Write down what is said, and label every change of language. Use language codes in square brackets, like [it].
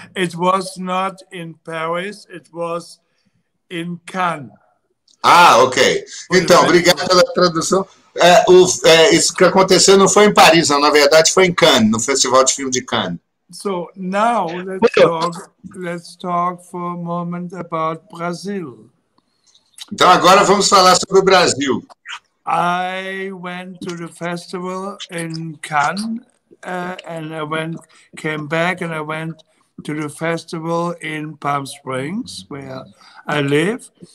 [en] It was not in Paris, it was in Cannes. [pt] Ah, ok. Então, obrigado pela tradução. Isso que aconteceu não foi em Paris, não. Na verdade, foi em Cannes, no Festival de Filme de Cannes. [en] So, now, let's talk for a moment about Brazil. [pt] Então, agora vamos falar sobre o Brasil. [en] I went to the festival in Cannes. And I came back and I went to the festival in Palm Springs, where I live.